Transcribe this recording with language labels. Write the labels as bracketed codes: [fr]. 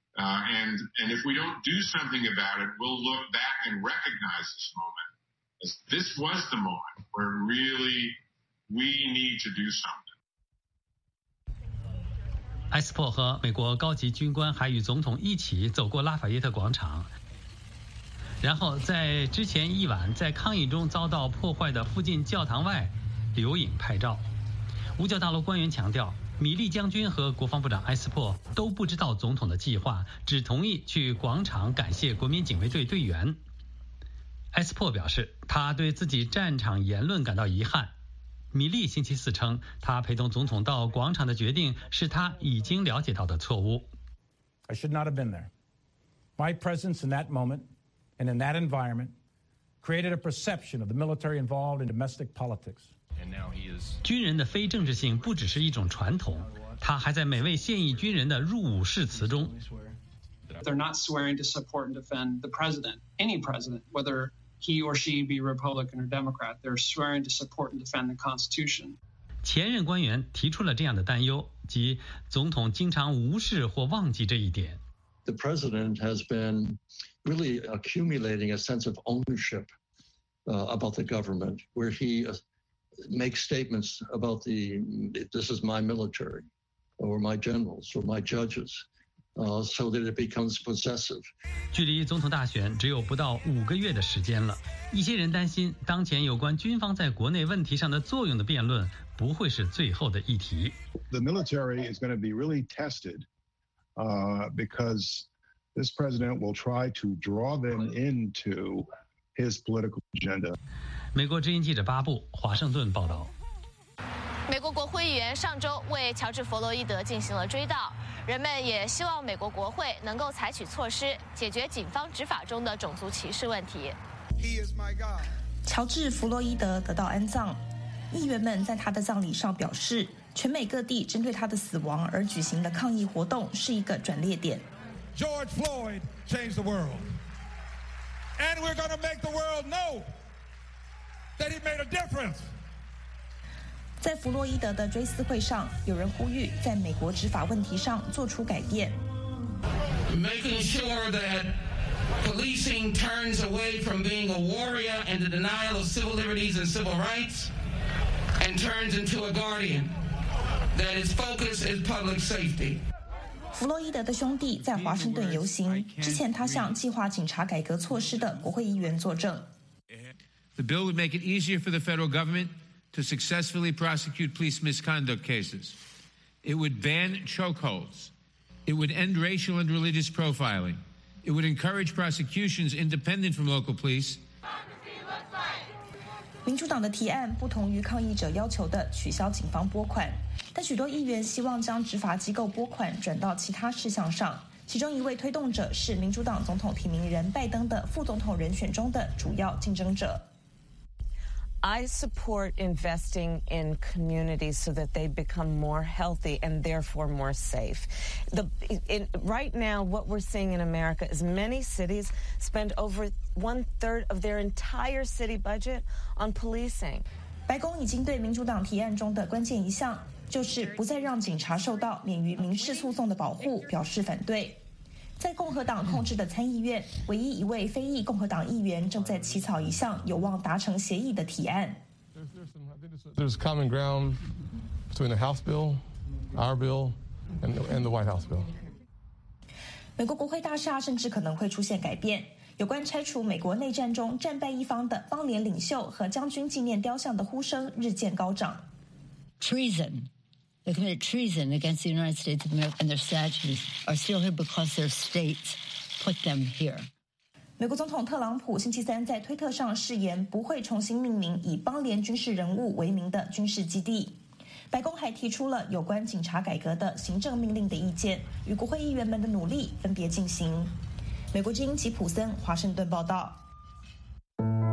[en] And if we don't do something about it, we'll look back and recognize this moment. This was the moment where really. We need to do something. [zh] 埃斯珀和美国高级军官还与总统一起走过拉法耶特广场，然后在之前一晚在抗议中遭到破坏的附近教堂外留影拍照。五角大楼官员强调，米利将军和国防部长埃斯珀都不知道总统的计划，只同意去广场感谢国民警卫队队员。埃斯珀表示，他对自己战场言论感到遗憾。米利星期四称，他陪同总统到广场的决定是他已经了解到的错误。 [en] I should not have been there. My presence in that moment and in that environment created a perception of the military involved in domestic politics. [zh] 军人的非政治性不只是一种传统，它还在每位现役军人的入伍誓词中。 [en] They're not swearing to support and defend the president, any president, whether. He or she be Republican or Democrat, they're swearing to support and defend the Constitution. [zh] 前任官员提出了这样的担忧，即总统经常无视或忘记这一点。 [en] The president has been really accumulating a sense of ownership about the government, where he makes statements about the this is my military, or my generals, or my judges. So that it becomes possessive. [zh] 距离总统大选只有不到五个月的时间了，一些人担心当前有关军方在国内问题上的作用的辩论不会是最后的议题。 [en] The military is going to be really tested, because this president will try to draw them into his political agenda. [zh] 美国之音记者巴布，华盛顿报道。美国国会议员上周为乔治·弗洛伊德进行了追悼，人们也希望美国国会能够采取措施解决警方执法中的种族歧视问题。乔治·弗洛伊德得到安葬，议员们在他的葬礼上表示，全美各地针对他的死亡而举行的抗议活动是一个转捩点。 [en] George Floyd changed the world. And we're going to make the world know that he made a difference. [zh] 在弗洛伊德的追思会上，有人呼吁在美国执法问题上做出改变。 [en] Making sure that policing turns away from being a warrior and the denial of civil liberties and civil rights and turns into a guardian, that its focus is public safety. [zh] 弗洛伊德的兄弟在华盛顿游行，之前他向计划警察改革措施的国会议员作证。 [en] The bill would make it easier for the federal government. To successfully prosecute police misconduct cases. It would ban chokeholds. It would end racial and religious profiling. It would encourage prosecutions independent from local police. [zh] 民主党的提案不同于抗议者要求的取消警方拨款，但许多议员希望将执法机构拨款转到其他事项上。其中一位推动者是民主党总统提名人拜登的副总统人选中的主要竞争者。 [en] I support investing in communities so that they become more healthy and therefore more safe. Right now, what we're seeing in America is many cities spend over one-third of their entire city budget on policing. [zh] 白宫已经对民主党提案中的关键一项，就是不再让警察受到免于民事诉讼的保护，表示反对。在共和党控制的参议院，唯一一位非裔共和党议员正在起草一项有望达成协议的提案。 [en] There's common ground between the House bill, our bill, and the White House bill. [zh] 美国国会大厦甚至可能会出现改变。有关拆除美国内战中战败一方的邦联领袖和将军纪念雕像的呼声日渐高涨。 [en] Treason. They committed treason against the United States of America, and their statues are still here because their states put them here. [zh] 美国总统特朗普星期三在推特上誓言不会重新命名以邦联军事人物为名的军事基地。白宫还提出了有关警察改革的行政命令的意见，与国会议员们的努力分别进行。美国之音吉普森华盛顿报道。